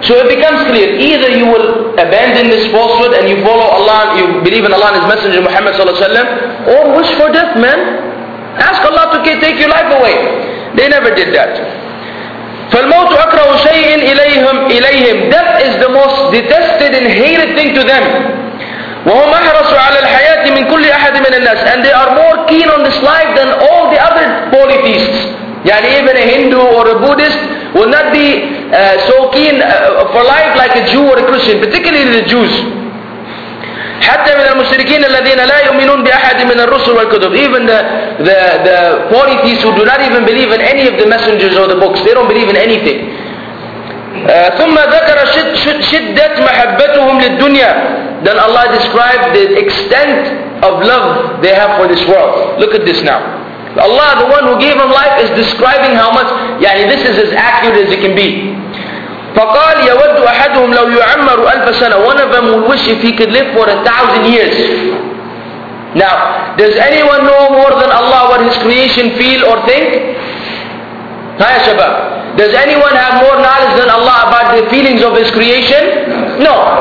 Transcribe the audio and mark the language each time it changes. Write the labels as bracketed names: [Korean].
[English] So it becomes clear, either you will abandon this falsehood and you follow Allah, you believe in Allah and His Messenger Muhammad sallallahu alaihi wasallam, or wish for death, man. Ask Allah to take your life away. They never did that. [Arabic] فَالْمَوْتُ أَكْرَهُ شَيْءٍ إِلَيْهِمْ. [English] Death is the most detested and hated thing to them. [Arabic] وهم أحرصوا على الحياة من كل أحد من الناس. [English] And they are more keen on this life than all the other polytheists. يعني even a Hindu or a Buddhist will not be so keen for life like a Jew or a Christian, particularly the Jews. [Arabic] حتى من المشركين الذين لا يؤمنون بأحد من الرسل والكتب. [English] Even the polytheists who do not even believe in any of the messengers or the books, they don't believe in anything. [Arabic] ثم ذكر شدة محبتهم للدنيا. [English] Then Allah described the extent of love they have for this world. Look at this now. Allah, the one who gave them life, is describing how much, يعني this is as accurate as it can be. [Arabic] فقال يود أحدهم لو يعمر ألف سنة. [English] One of them would wish if he could live for 1,000 years. Now, does anyone know more than Allah what his creation feel or think? Hi, Shabab. Does anyone have more knowledge than Allah about the feelings of his creation? No.